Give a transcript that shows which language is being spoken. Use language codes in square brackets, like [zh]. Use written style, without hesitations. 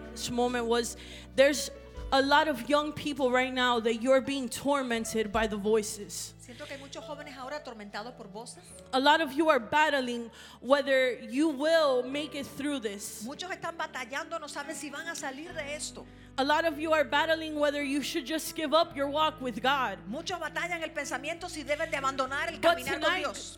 [en] Moment was there's a lot of young people right now that you're being tormented by the voices. [es] Siento que hay muchos jóvenes ahora atormentados por voces. [en] A lot of you are battling whether you will make it through this. [es] Muchos están batallando, no saben si van a salir de esto. [en] A lot of you are battling whether you should just give up your walk with God. [es] Muchos batallan el pensamiento si deben de abandonar el caminar con Dios.